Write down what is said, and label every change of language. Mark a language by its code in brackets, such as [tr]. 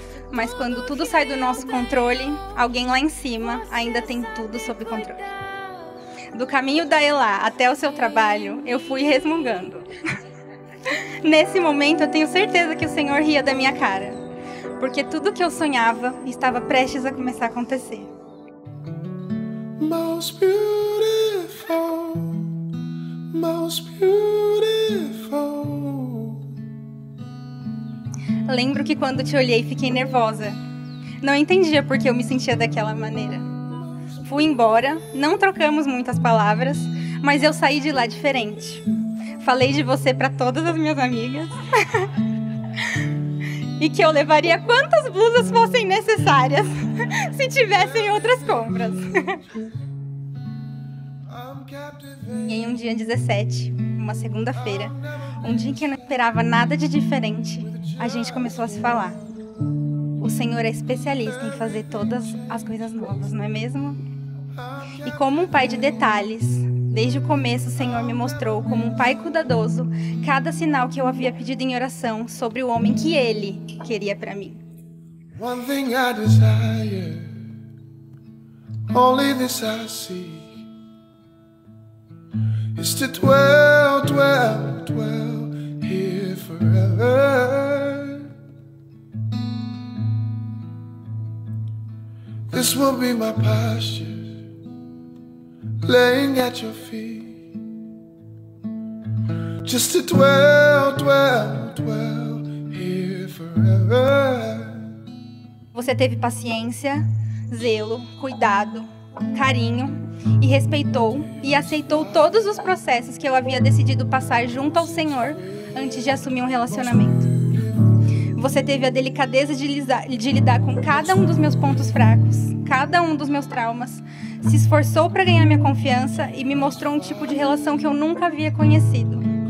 [pt] Mas quando tudo sai do nosso controle, alguém lá em cima ainda tem tudo sob controle. Do caminho da Elá até o seu trabalho, eu fui resmungando. Nesse momento, eu tenho certeza que o Senhor ria da minha cara, porque tudo que eu sonhava estava prestes a começar a acontecer. [en] Most beautiful, most beautiful. [pt] Lembro que quando te olhei fiquei nervosa. Não entendia por que eu me sentia daquela maneira. Fui embora, não trocamos muitas palavras, mas eu saí de lá diferente. Falei de você para todas as minhas amigas. E que eu levaria quantas blusas fossem necessárias se tivessem outras compras. Em um dia 17, uma segunda-feira, um dia em que eu não esperava nada de diferente, a gente começou a se falar. O Senhor é especialista em fazer todas as coisas novas, não é mesmo? E como um pai de detalhes, desde o começo o Senhor me mostrou, como um pai cuidadoso, cada sinal que eu havia pedido em oração sobre o homem que Ele queria para mim. [en] One thing I desire, only this I see, is to dwell, dwell, dwell here forever. This will be my posture, laying at your feet, just to dwell, dwell, dwell here forever. [pt] Você teve paciência, zelo, cuidado, carinho e respeitou e aceitou todos os processos que eu havia decidido passar junto ao Senhor antes de assumir um relacionamento. Você teve a delicadeza de lidar com cada um dos meus pontos fracos, cada um dos meus traumas, se esforçou para ganhar minha confiança e me mostrou um tipo de relação que eu nunca havia conhecido.